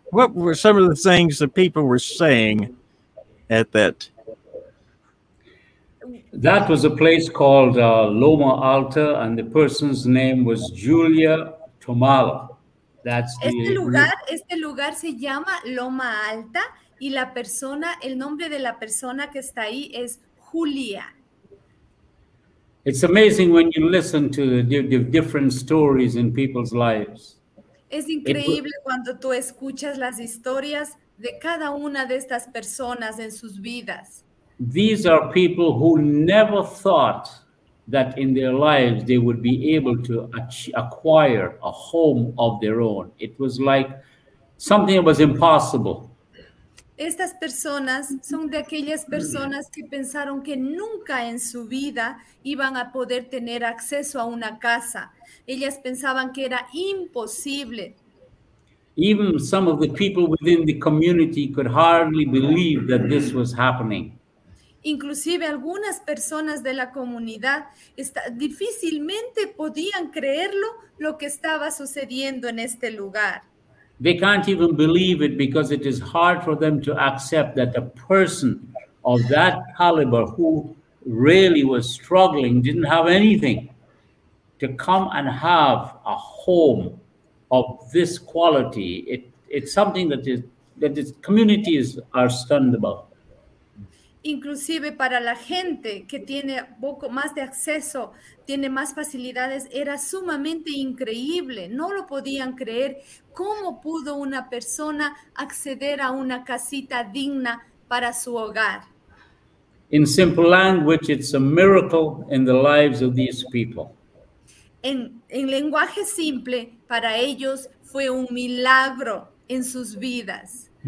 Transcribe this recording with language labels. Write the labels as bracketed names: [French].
[English] What were some of the things that people were saying at that? That was a place called Loma Alta, and the person's name was Julia Tomala. That's the [Spanish] este lugar se llama Loma Alta, y la persona, el nombre de la persona que está ahí es Julia. [English] It's amazing when you listen to the different stories in people's lives. [Spanish] Es increíble cuando tú escuchas las historias de cada una de estas personas en sus vidas. [English] These are people who never thought that in their lives they would be able to acquire a home of their own. It was like something that was impossible. [Spanish] Estas personas son de aquellas personas que pensaron que nunca en su vida iban a poder tener acceso a una casa. Ellas pensaban que era imposible. [English] Even some of the people within the community could hardly believe that this was happening. [Spanish] Inclusive algunas personas de la comunidad difícilmente podían creerlo lo que estaba sucediendo en este lugar. [English] They can't even believe it because it is hard for them to accept that a person of that caliber who really was struggling, didn't have anything, to come and have a home of this quality. It's something that the communities are stunned about. [Spanish] Inclusive para la gente que tiene poco más de acceso, tiene más facilidades, era sumamente increíble. No lo podían creer. ¿Cómo pudo una persona acceder a una casita digna para su hogar? [English] In simple language, it's a miracle in the lives of these people. [Spanish] En lenguaje simple, para ellos fue un milagro en sus vidas.